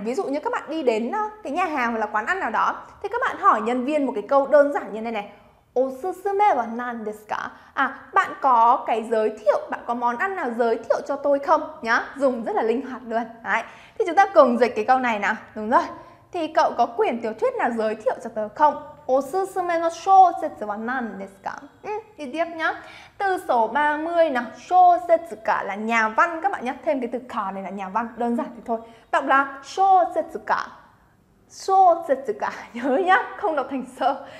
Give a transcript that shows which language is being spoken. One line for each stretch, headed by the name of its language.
Vietnamese: Ví dụ như các bạn đi đến cái nhà hàng hoặc là quán ăn nào đó, thì các bạn hỏi nhân viên một cái câu đơn giản như này này.
Japanese: おすすめは何ですか?
Vietnamese: À, bạn có cái giới thiệu, bạn có món ăn nào giới thiệu cho tôi không? Nhá, dùng rất là linh hoạt luôn. Đấy. Thì chúng ta cùng dịch cái câu này nào. Đúng rồi. Thì cậu có quyển tiểu thuyết nào giới thiệu cho tớ không?
Japanese: おすすめの小説は何ですか?
Vietnamese: Đi tiếp nhá. Từ số 30 nào. 小説家 là nhà văn các bạn nhá. Thêm cái từ cả này là nhà văn. Đơn giản thì thôi. Đọc là 小説家.
Japanese: 小説家.
Vietnamese: Nhớ nhá, không đọc thành sơ.